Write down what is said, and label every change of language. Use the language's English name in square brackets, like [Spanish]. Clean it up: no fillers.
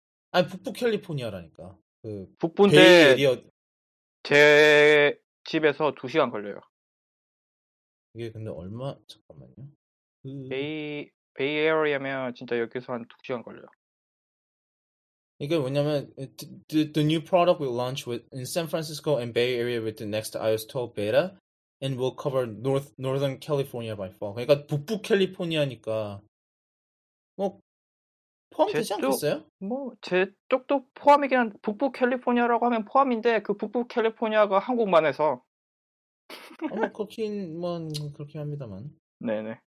[Korean] 아니 북부 캘리포니아라니까. 그 베이 북부인데 에리어. 제 집에서 2시간 걸려요. 이게 근데 얼마? 잠깐만요. 베이 에어리어면 진짜 여기서 한 2시간 걸려요. 이게 뭐냐면 [English] the new product will launch with in San Francisco and Bay Area with the next iOS 12 beta and will cover Northern California by fall. [Korean] 그러니까 북부 캘리포니아니까 뭐 포함되지 않겠어요? 제 쪽도 포함이긴 한 북부 캘리포니아라고 하면 포함인데 그 북부 캘리포니아가 한국만 해서 뭐 그렇긴 뭐 그렇게 합니다만 네네